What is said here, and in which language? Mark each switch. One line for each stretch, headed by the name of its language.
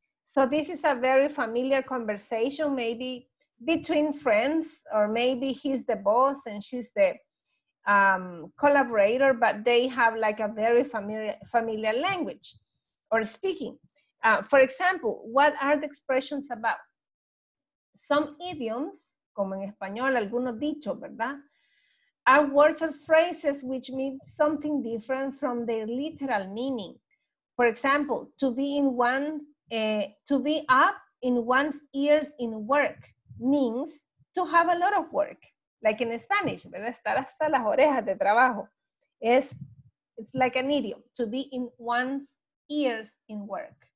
English: So this is a very familiar conversation, maybe between friends, or maybe he's the boss and she's the collaborator, but they have like a very familiar language or speaking. For example, what are the expressions about? Some idioms,
Spanish: como en español, algunos dichos, ¿verdad?
English: Are words or phrases which mean something different from their literal meaning. For example, to be in one to be up in one's ears in work means to have a lot of work. Like in Spanish,
Spanish: ¿verdad? Estar hasta las orejas de trabajo.
English: It's like an idiom, to be in one's ears in work.